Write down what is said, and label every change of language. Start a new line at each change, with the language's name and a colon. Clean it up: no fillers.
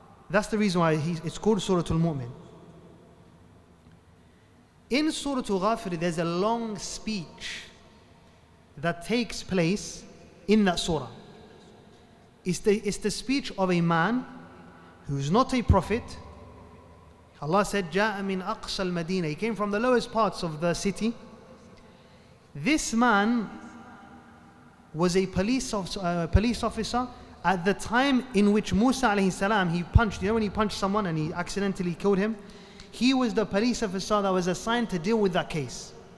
English: That's the reason why it's called Surah Al-Mu'min. In Surah Ghafir, there's a long speech that takes place in that surah. It's the speech of a man who's not a prophet. Allah said,
Arabic: جَاءَ مِنْ أَقْصَى الْمَدِينَةِ.
English: He came from the lowest parts of the city. This man was a police officer at the time in which Musa alayhi salam, he punched, you know when he punched someone and he accidentally killed him? He was the police officer that was assigned to deal with that case.